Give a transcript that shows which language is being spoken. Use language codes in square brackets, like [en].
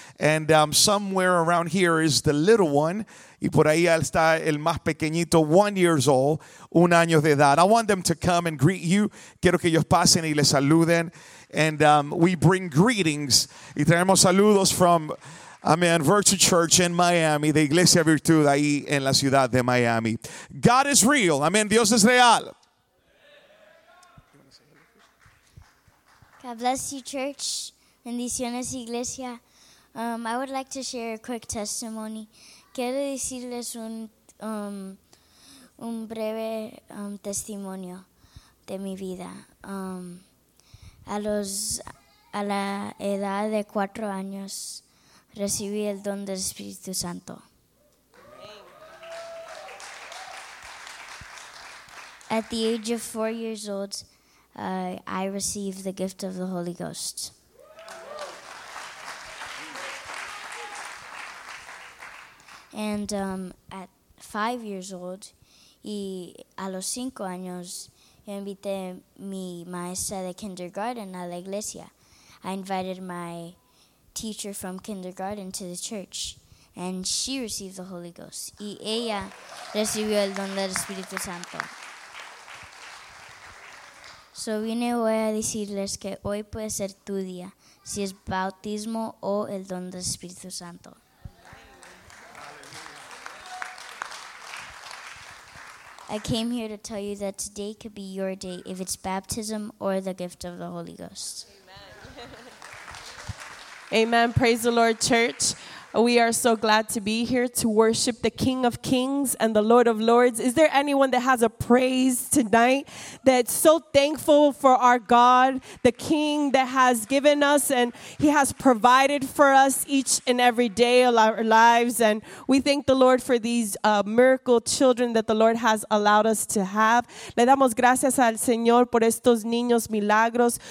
[en] And somewhere around here is the little one. [es] Y por ahí está el más pequeñito, [en] 1 year old, [es] 1 año de edad. [en] I want them to come and greet you. [es] Quiero que ellos pasen y les saluden. [en] And we bring greetings. [es] Y traemos saludos from, amen, Virtue Church in Miami, the Iglesia Virtud ahí en la ciudad de Miami. [en] God is real. Amen. [es] Dios es real. [en] God bless you, church. [es] Bendiciones, Iglesia. [en] I would like to share a quick testimony. [es] Quiero decirles un breve testimonio de mi vida. A la edad de 4 años, recibí el don del Espíritu Santo. [en] At the age of 4 years old, I received the gift of the Holy Ghost. And at 5 years old, [es] y a los 5 años, yo invité mi maestra de kindergarten a la iglesia. [en] I invited my teacher from kindergarten to the church, and she received the Holy Ghost. [es] Y ella recibió el don del Espíritu Santo. So vine hoy a decirles que hoy puede ser tu día, si es bautismo o el don del Espíritu Santo. [en] I came here to tell you that today could be your day if it's baptism or the gift of the Holy Ghost. Amen. Amen. Praise the Lord, church. We are so glad to be here to worship the King of Kings and the Lord of Lords. Is there anyone that has a praise tonight that's so thankful for our God, the King that has given us and He has provided for us each and every day of our lives? And we thank the Lord for these miracle children that the Lord has allowed us to have. [es] Le damos gracias al Señor por estos niños milagros.